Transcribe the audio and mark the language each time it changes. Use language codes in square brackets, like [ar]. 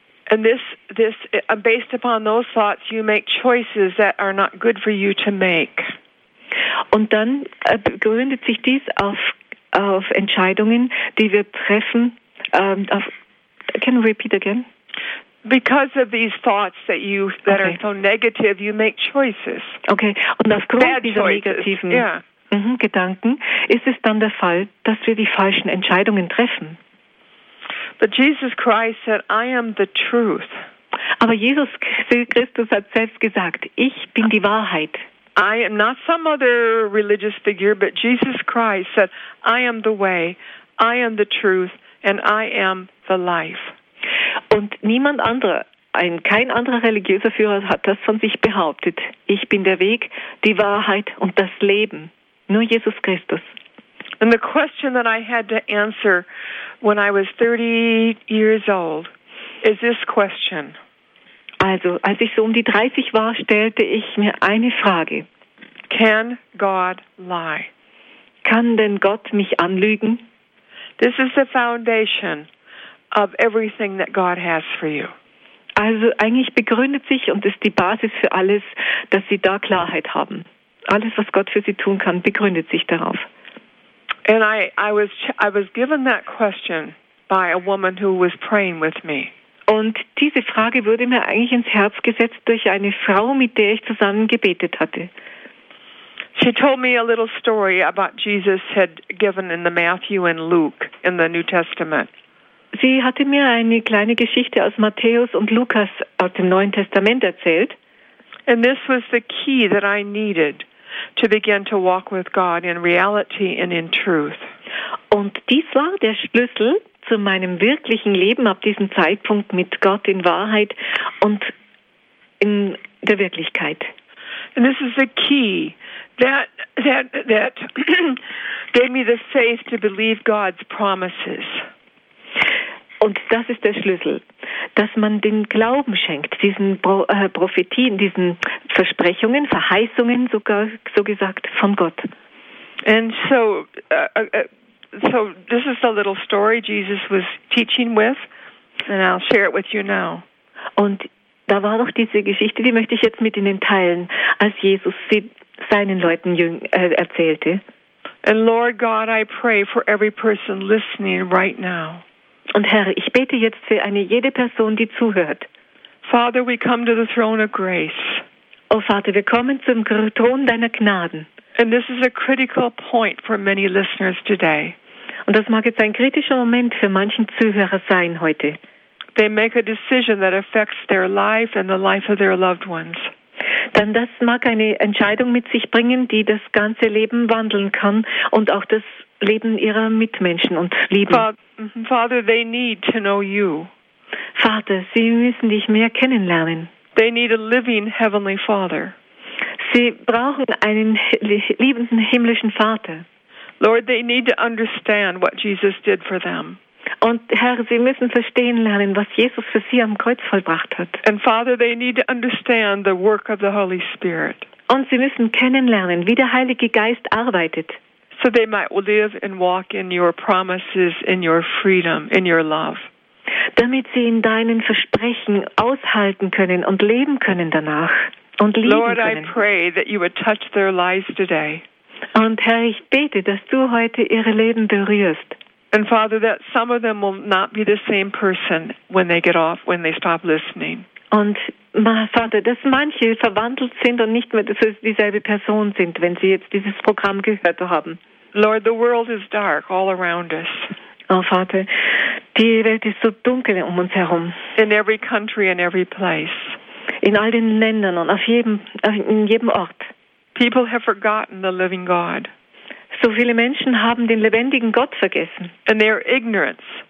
[en] And this based upon those thoughts, you make choices that are not good for you to make. [de] Und dann gründet sich dies auf Entscheidungen, die wir treffen. [en] Can you repeat again? Because of these thoughts that are so negative, you make choices. [de] Okay, und aufgrund dieser negativen Gedanken ist es dann der Fall, dass wir die falschen Entscheidungen treffen. [en] But Jesus Christ said, I am the truth. [de] Aber Jesus Christus hat selbst gesagt, ich bin die Wahrheit. [en] I am not some other religious figure, but Jesus Christ said, I am the way, I am the truth, and I am the life. [de] Und niemand anderer, kein anderer religiöser Führer hat das von sich behauptet. Ich bin der Weg, die Wahrheit und das Leben. Nur Jesus Christus. [en] And the question that I had to answer when I was 30 years old is this question. [de] Also, als ich so um die 30 war, stellte ich mir eine Frage. [en] Can God lie? [de] Kann denn Gott mich anlügen? [en] This is the foundation of everything that God has for you. [de] Also eigentlich begründet sich und ist die Basis für alles, dass Sie da Klarheit haben. Alles, was Gott für Sie tun kann, begründet sich darauf. [en] And I was given that question by a woman who was praying with me. [de] Und diese Frage wurde mir eigentlich ins Herz gesetzt durch eine Frau, mit der ich zusammen gebetet hatte. [en] She told me a little story about Jesus had given in the Matthew and Luke in the New Testament. [de] Sie hatte mir eine kleine Geschichte aus Matthäus und Lukas aus dem Neuen Testament erzählt. [en] And this was the key that I needed to begin to walk with God in reality and in truth. [de] Und dies war der Schlüssel zu meinem wirklichen Leben ab diesem Zeitpunkt mit Gott in Wahrheit und in der Wirklichkeit. [en] And this is the key that gave me the faith to believe God's promises. [de] Und das ist der Schlüssel, dass man den Glauben schenkt, diesen Prophetien, diesen Versprechungen, Verheißungen sogar, so gesagt, von Gott. [en] And so this is the little story Jesus was teaching with, and I'll share it with you now. [de] Und da war doch diese Geschichte, die möchte ich jetzt mit Ihnen teilen, als Jesus sie seinen Leuten erzählte. [en] And Lord God, I pray for every person listening right now. [de] Und Herr, ich bete jetzt für eine jede Person, die zuhört. [en] Father, we come to the throne of grace. [de] Oh Vater, wir kommen zum Thron deiner Gnaden. [en] And this is a critical point for many listeners today. [de] Und das mag jetzt ein kritischer Moment für manchen Zuhörer sein heute. [en] They make a decision that affects their life and the life of their loved ones. [de] Dann das mag eine Entscheidung mit sich bringen, die das ganze Leben wandeln kann und auch das Leben ihrer Mitmenschen und Lieben. [en] Father, they need to know you. [de] Vater, sie müssen dich mehr kennenlernen. [en] They need a living heavenly Father. [de] Sie brauchen einen liebenden himmlischen Vater. [en] Lord, they need to understand what Jesus did for them. [de] Und Herr, sie müssen verstehen lernen, was Jesus für sie am Kreuz vollbracht hat. [en] And Father, they need to understand the work of the Holy Spirit. [de] Und sie müssen kennenlernen, wie der Heilige Geist arbeitet. [en] So they might live and walk in your promises, in your freedom, in your love. [de] Damit sie in deinen Versprechen aushalten können und leben können danach und lieben [en] Lord, [de] können. [en] Lord, I pray that you would touch their lives today. [de] Und Herr, ich bete, dass du heute ihre Leben berührst. [en] And Father, that some of them will not be the same person when they get off, when they stop listening. [de] Und Vater, dass manche verwandelt sind und nicht mehr dieselbe Person sind, wenn sie jetzt dieses Programm gehört haben. [en] Lord, the world is dark all around us. [de] Oh Vater, die Welt ist so dunkel um uns herum. [en] In every country and every place. [de] In all den Ländern und in jedem Ort. [en] People have forgotten the living God. [de] So viele Menschen haben den lebendigen Gott vergessen. [en] And they are ignorant